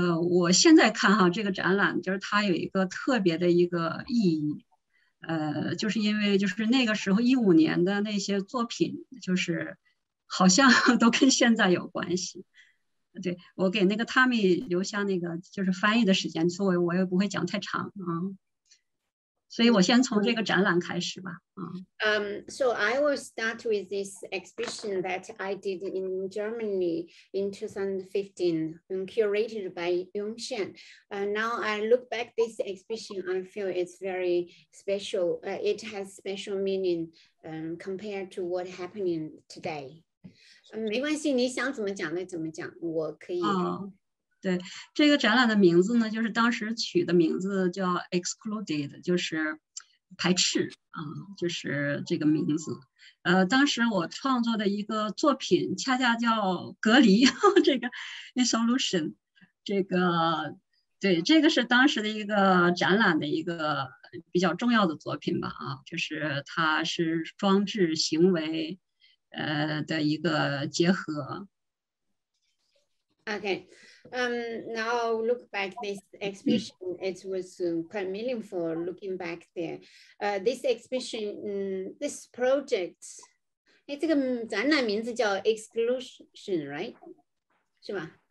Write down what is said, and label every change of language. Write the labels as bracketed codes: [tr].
[zh] 我现在看哈这个展览，就是它有一个特别的一个意义，就是因为就是那个时候2015年的那些作品，就是好像都跟现在有关系。对，我给那个 Tami 留下那个就是翻译的时间，所以我也不会讲太长啊。所以我先从这个展览开始吧。 [en] So I will start with this exhibition that I did in Germany in 2015, curated by Yong Xian. Now I look back this exhibition, I feel it's very special. It has special meaning compared to what happening today. [zh] 没关系，你想怎么讲的怎么讲，我可以。对，这个展览的名字呢，就是当时取的名字叫 Excluded， 就是排斥啊，就是这个名字。当时我创作的一个作品恰恰叫隔离，这个 Insolution， 这个对，这个是当时的一个展览的一个比较重要的作品吧，就是它是装置行为的一个结合。 [en] Okay. Now look back this exhibition, it was quite meaningful looking back there. This exhibition, this project, [zh] 这个展览名字叫 Exclusion, right? 是吧？